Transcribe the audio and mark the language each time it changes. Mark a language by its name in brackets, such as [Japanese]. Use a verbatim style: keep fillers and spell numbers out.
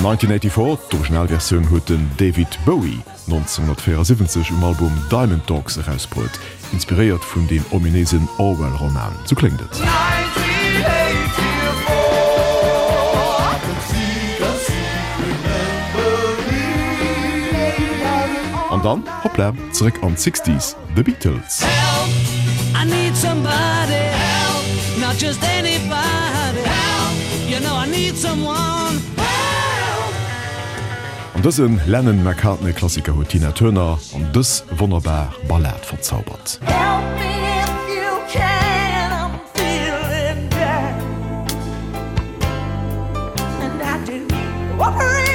[Luxembourgish] neunzehnhundertvierundachtzig, d'Originalversion huet den David Bowie neunzehnhundertvierundsiebzig um Album Diamond Dogs herausbrot, inspiriert vun dem ominesen Orwell-Roman. So klingt et. [German] Und dann, hoppla, zurück an sechziger, The Beatles. [English] Help, I need somebody, help, not just anybody, help, you know I need someone, help. [German] Und das sind Lennon-McCartney-Klassiker von Tina Turner und das wunderbar Ballett verzaubert. [English] Help me if you can, I'm feeling bad, and I do appreciate.